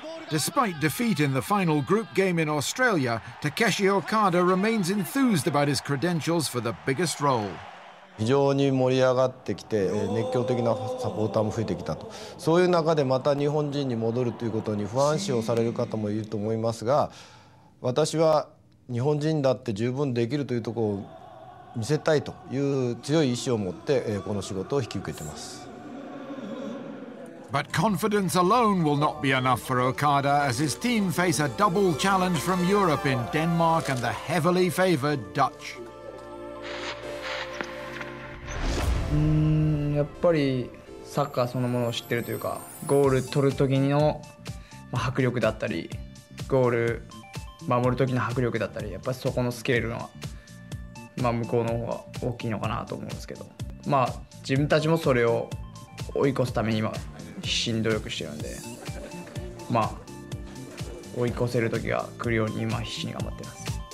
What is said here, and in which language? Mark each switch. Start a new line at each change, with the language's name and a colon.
English: Despite defeat in the final group game in Australia, Takeshi Okada remains enthused about his credentials for the biggest role.
Japanese: 非常に盛り上がってきて、熱狂的なサポーターも増えてきたと。そういう中でまた日本人に戻るということに不安視をされる方もいると思いますが、私は日本人だって十分できるというところを見せたいという強い意志を持ってこの仕事を引き受けてます。
English: But confidence alone will not be enough for Okada as his team face a double challenge from Europe in Denmark and the heavily favored Dutch.
Japanese: やっぱりサッカーそのものを知ってるというか、ゴール取る時の迫力だったり、ゴール守る時の迫力だったり、やっぱりそこのスケールは、まあ、向こうの方が大きいのかなと思うんですけど、まあ自分たちもそれを追い越すために今必死に努力してるんで、まあ追い越せる時が来るように今必死に頑張ってます。